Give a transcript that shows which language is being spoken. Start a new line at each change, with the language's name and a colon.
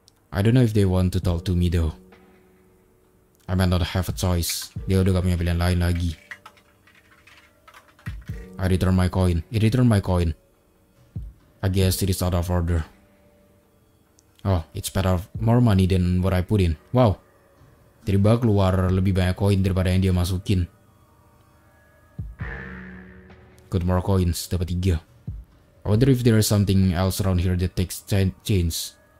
English: I don't know if they want to talk to me though. I might not have a choice.
Indonesian: Dia udah gak punya pilihan lain lagi.
English: I return my coin. It returned my coin. I guess it is out of order. Oh, it's better more money than what I put in. Wow.
Indonesian: Tiba-tiba keluar lebih banyak koin daripada yang dia masukin.
English: Good more coins,
Indonesian: dapat 3.
English: I wonder if there is something else around here that takes change.